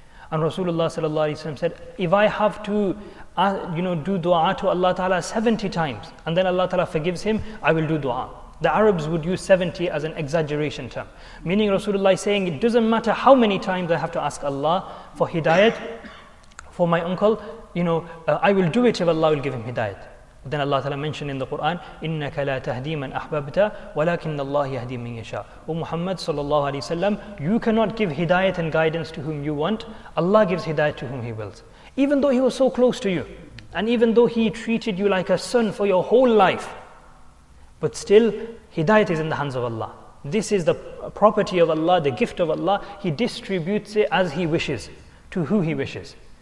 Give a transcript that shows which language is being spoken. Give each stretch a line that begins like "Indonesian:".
English: And Rasulullah sallallahu alaihi wasallam said, if I have to do dua to Allah Ta'ala 70 times and then Allah Ta'ala forgives him, I will do dua. The Arabs would use 70 as an exaggeration term, meaning Rasulullah is saying, it doesn't matter how many times I have to ask Allah for hidayat for my uncle, I will do it if Allah will give him hidayat. Then Allah Ta'ala mentioned in the Quran,
Arabic: إِنَّكَ لَا تَهْدِي مَنْ أَحْبَبْتَ وَلَكِنَّ اللَّهِ يَهْدِي مَنْ يَشَاءُ.
English: O Muhammad sallallahu alayhi wa sallam, you cannot give hidayat and guidance to whom you want. Allah gives hidayat to whom He wills. Even though he was so close to you, and even though he treated you like a son for your whole life, but still, hidayat is in the hands of Allah. This is the property of Allah, the gift of Allah. He distributes it as he wishes, to who he wishes.